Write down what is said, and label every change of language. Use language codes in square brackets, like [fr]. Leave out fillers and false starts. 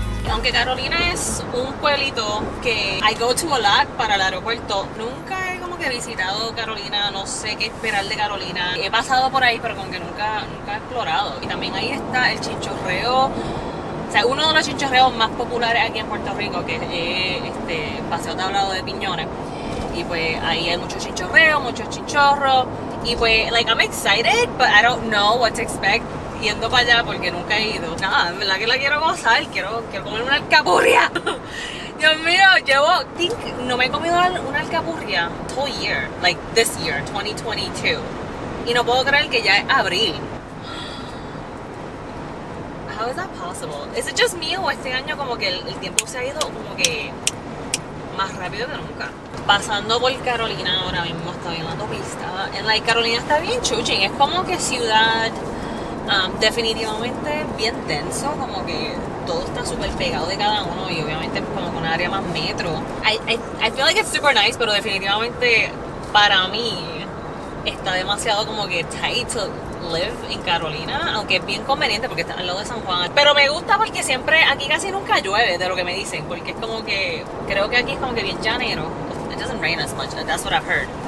[es] Aunque Carolina es un pueblito que [en] I go to a lot [es] para el aeropuerto, nunca he como que visitado Carolina, no sé qué esperar de Carolina. He pasado por ahí, pero como que nunca he explorado. Y también ahí está el chinchorreo, o sea, uno de los chinchorreos más populares aquí en Puerto Rico, que es Paseo Tablado de Piñones. Y pues ahí hay muchos chinchorreos, muchos chinchorros. Y pues, [en] like, I'm excited, but I don't know what to expect [es] yendo para allá, porque nunca he ido. Nada, en verdad que la quiero gozar, quiero comer una alcapurria. Dios mío, no me he comido una alcapurria todo [en] year, like this year, [es] 2022. Y no puedo creer que ya es abril. [en] How is that possible? Is it just me, [es] o este año como que el tiempo se ha ido como que más rápido que nunca? Pasando por Carolina ahora mismo, estoy en la autopista. En la Carolina está bien chuching, es como que ciudad. Definitivamente bien denso, como que todo está súper pegado de cada uno, y obviamente como con un área más metro. [en] I feel like it's super nice, [es] pero definitivamente para mí está demasiado como que [en] tight to live in [es] Carolina, aunque es bien conveniente porque está al lado de San Juan. Pero me gusta porque siempre aquí casi nunca llueve, de lo que me dicen, porque es como que creo que aquí es como que bien llanero. [en] It doesn't rain as much, that's what I've heard.